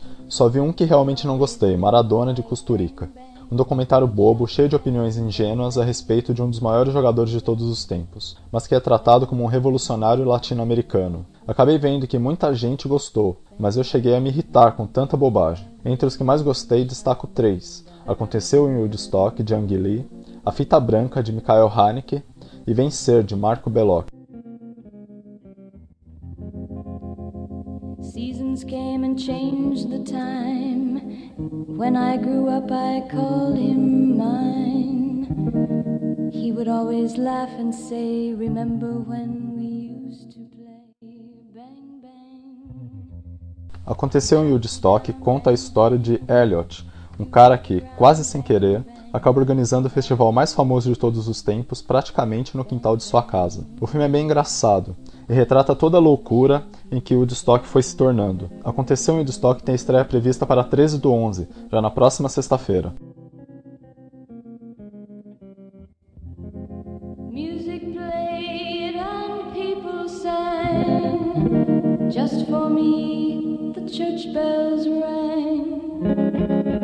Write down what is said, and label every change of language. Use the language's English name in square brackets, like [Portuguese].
[Portuguese] Só vi um que realmente não gostei, Maradona de Kusturica. Um documentário bobo, cheio de opiniões ingênuas a respeito de um dos maiores jogadores de todos os tempos, mas que é tratado como um revolucionário latino-americano. Acabei vendo que muita gente gostou, mas eu cheguei a me irritar com tanta bobagem. Entre os que mais gostei, destaco três: Aconteceu em Woodstock, de Ang Lee, A Fita Branca, de Michael Haneke, e Vencer, de Marco Bellocchi. [English] Seasons came and changed the time. When I grew up, I called him mine. He would always laugh and say, remember when we used to play bang bang. [Portuguese] Aconteceu em Woodstock conta a história de Elliot, um cara que, quase sem querer, acaba organizando o festival mais famoso de todos os tempos praticamente no quintal de sua casa. O filme é bem engraçado e retrata toda a loucura em que Woodstock foi se tornando. Aconteceu em Woodstock tem a estreia prevista para 13/11, já na próxima sexta-feira. [English] Music played and people sang. Just for me, the church bells rang.